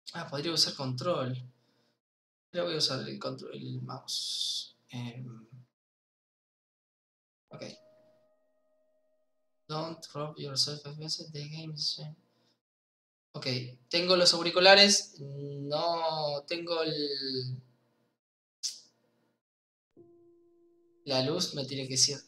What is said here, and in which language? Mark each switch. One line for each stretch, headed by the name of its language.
Spanish: Podría usar control. Pero voy a usar el control, el mouse. Ok.
English: Don't rob yourself of the game.
Spanish: Ok, tengo los auriculares. No tengo la luz, me tiene que decir.